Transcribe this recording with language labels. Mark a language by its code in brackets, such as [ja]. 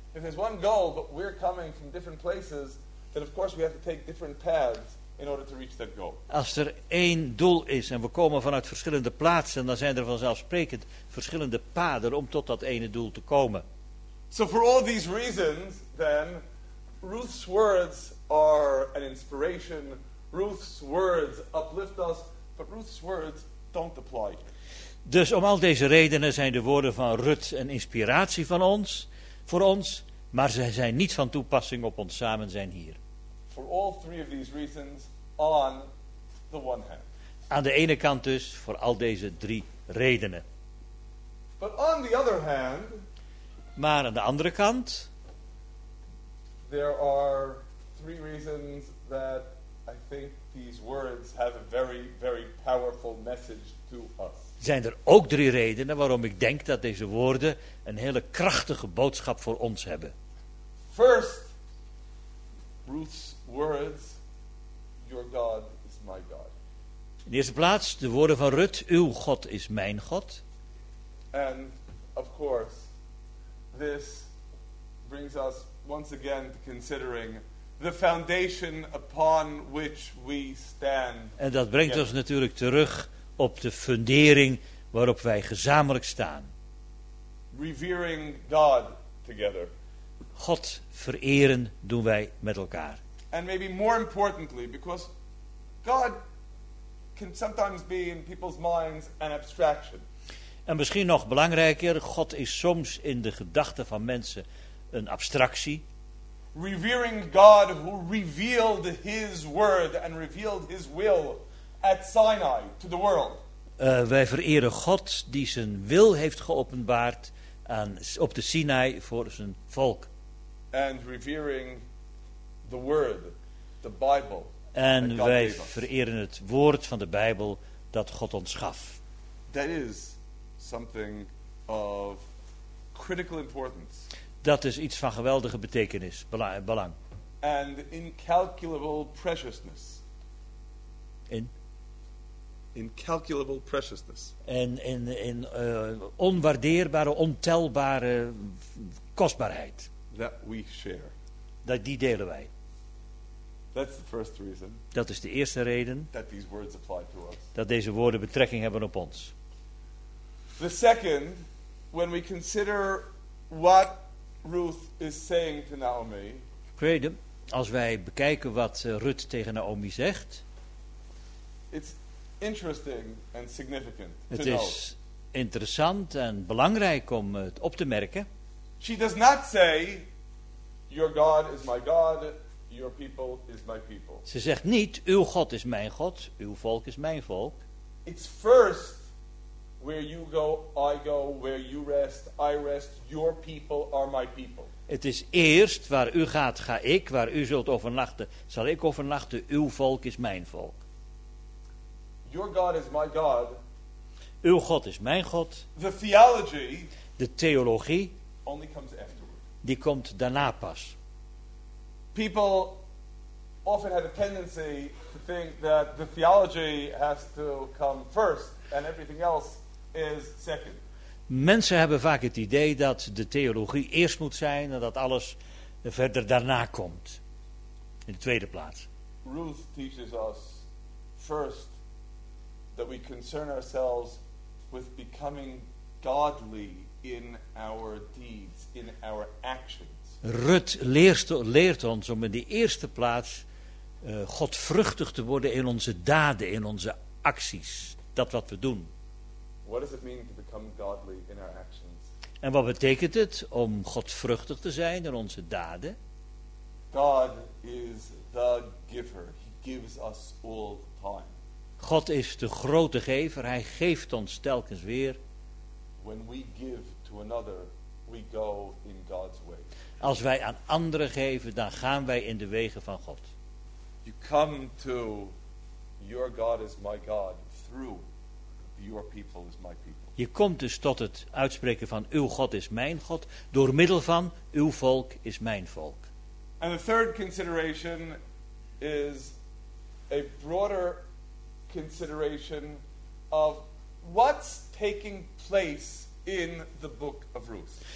[en] If there's one goal, but we're coming from different places, then of course we have to take different paths in order to reach that goal. [nl] Als er één doel is en we komen vanuit verschillende plaatsen, dan zijn er vanzelfsprekend verschillende paden om tot dat ene doel te komen. [en] So for all these reasons, then, Ruth's words are an inspiration. Ruth's words uplift us, but Ruth's words don't apply. [nl] Dus om al deze redenen zijn de woorden van Ruth een inspiratie van ons. Voor ons, maar zij zijn niet van toepassing op ons samen zijn hier. [en] For all three of these reasons, on the one hand. [nl] Aan de ene kant dus, voor al deze drie redenen. [en] But on the other hand, [nl] maar aan de andere kant, [en] there are three reasons that I think these words have a very, very powerful message to us. [nl] Zijn er ook drie redenen waarom ik denk dat deze woorden een hele krachtige boodschap voor ons hebben. [en] First, Ruth's words, your God is my God. [nl] In eerste plaats de woorden van Ruth, uw God is mijn God. [en] And of course, this brings us once again to considering the foundation upon which we stand. [nl] En dat brengt ons natuurlijk terug op de fundering waarop wij gezamenlijk staan. [en] Revering God together. [nl] God vereren doen wij met elkaar. [en] And maybe more importantly, because God can sometimes be in people's minds an abstraction. [nl] En misschien nog belangrijker, God is soms in de gedachten van mensen een abstractie. [en] Revering God who revealed his word and revealed his will at Sinai to the world. [nl] Wij vereren God die zijn wil heeft geopenbaard aan, op de Sinai voor zijn volk. [en] And revering the word, the Bible. [nl] En wij vereren het woord van de Bijbel dat God ons gaf. [en] That is something of critical importance. [nl] Dat is iets van geweldige betekenis, belang. [en] And incalculable preciousness. Incalculable preciousness. [nl] En onwaardeerbare, ontelbare kostbaarheid. [en] That we share. [nl] Dat die delen wij. [en] That's the first reason. [nl] Dat is de eerste reden. [en] That these words apply to us. [nl] Dat deze woorden betrekking hebben op ons. [en] The second, when we consider what Ruth is saying to Naomi. [nl] Tweede, als wij bekijken wat Ruth tegen Naomi zegt. [en] It's interesting and significant. [nl] Het is interessant en belangrijk om het op te merken. [en] She does not say, "Your God is my God, your people is my people." [nl] Ze zegt niet, "Uw God is mijn God, uw volk is mijn volk." [en] It's first. Where you go, I go. Where you rest, I rest. Your people are my people. [nl] Het is eerst waar u gaat, ga ik. Waar u zult overnachten, zal ik overnachten. Uw volk is mijn volk. [en] Your God is my God. [nl] Uw God is mijn God. [en] The theology. [nl] De theologie. [en] Only comes afterward. [nl] Die komt daarna pas. [en] People often have a tendency to think that the theology has to come first and everything else. Is second. [nl] Mensen hebben vaak het idee dat de theologie eerst moet zijn en dat alles verder daarna komt. In de tweede plaats. [en] Ruth teaches us first that we concern ourselves with becoming godly in our deeds, in our actions. [nl] Ruth leert ons om in de eerste plaats godvruchtig te worden in onze daden, in onze acties. Dat wat we doen. [en] What does it mean to become godly in our actions? [nl] En wat betekent het om godvruchtig te zijn in onze daden? [en] God is the giver. He gives us all the time. [nl] God is de grote gever. Hij geeft ons telkens weer. [en] When we give to another, we go in God's way. [nl] Als wij aan anderen geven, dan gaan wij in de wegen van God. [en] You come to your God is my God through. Your people is my people. [nl] Je komt dus tot het uitspreken van uw God is mijn God door middel van uw volk is mijn volk. [en] And the third consideration is a broader consideration of what's taking place in the book of Ruth.